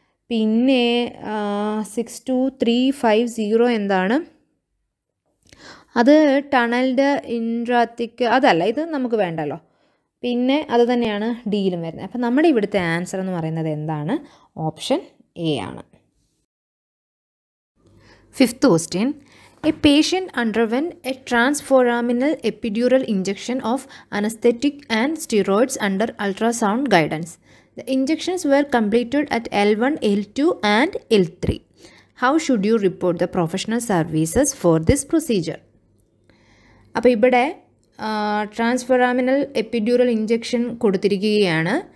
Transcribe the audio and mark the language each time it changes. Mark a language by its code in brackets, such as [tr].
[ml] പിന്നെ 62350 എന്താണ്, അത് ടണലിൻ്റെ ഇൻട്രാത്തിക്ക്, അതല്ല ഇത് നമുക്ക് വേണ്ടല്ലോ. പിന്നെ അത് തന്നെയാണ് ഡിയിലും വരുന്നത്. അപ്പം നമ്മുടെ ഇവിടുത്തെ ആൻസർ എന്ന് പറയുന്നത് എന്താണ്, ഓപ്ഷൻ എ ആണ്. 5th question, [en] A patient underwent a transforaminal epidural injection of anesthetic and steroids under ultrasound guidance. The injections were completed at L1, L2 and L3. How should you report the professional services for this procedure? [ml] അപ്പോൾ ഇവിടെ ട്രാൻസ്ഫറാമിനൽ epidural injection കൊടുത്തിരിക്കുകയാണ്.